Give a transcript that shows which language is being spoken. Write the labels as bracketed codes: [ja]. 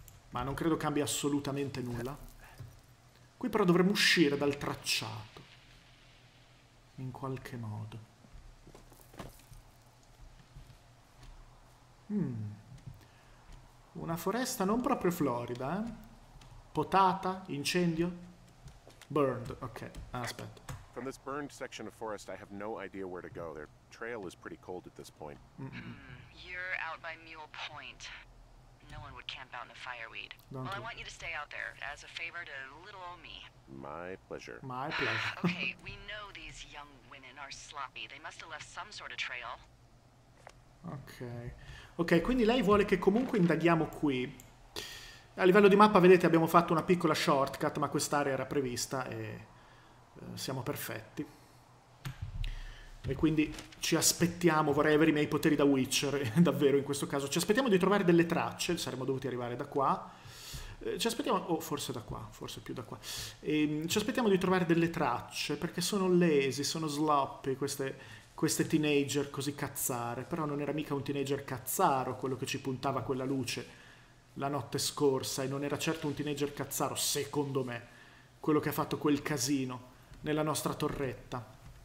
[it] Ma non credo cambi assolutamente nulla. Qui però dovremmo uscire dal tracciato. In qualche modo. Una foresta non proprio florida, eh? Potata? Incendio? Burned, ok. Aspetta. [en] From this burned section of forest, I have no idea where to go. Their trail is pretty cold at this point. You're out by Mule Point. No one would camp out in the fireweed. Well, I want you to stay out there as a favor to little old me. My pleasure. My pleasure. Okay, we know these young women are sloppy. They must have left some sort of trail. Okay. [it] Okay, quindi lei vuole che comunque indaghiamo qui. A livello di mappa, vedete, abbiamo fatto una piccola shortcut, ma quest'area era prevista e siamo perfetti. E quindi ci aspettiamo, vorrei avere i miei poteri da Witcher, davvero in questo caso, ci aspettiamo di trovare delle tracce, saremmo dovuti arrivare da qua, ci aspettiamo, forse da qua, forse più da qua, e ci aspettiamo di trovare delle tracce, perché sono lesi, sono sloppy queste teenager così cazzare, però non era mica un teenager cazzaro quello che ci puntava quella luce la notte scorsa, e non era certo un teenager cazzaro, secondo me, quello che ha fatto quel casino nella nostra torretta.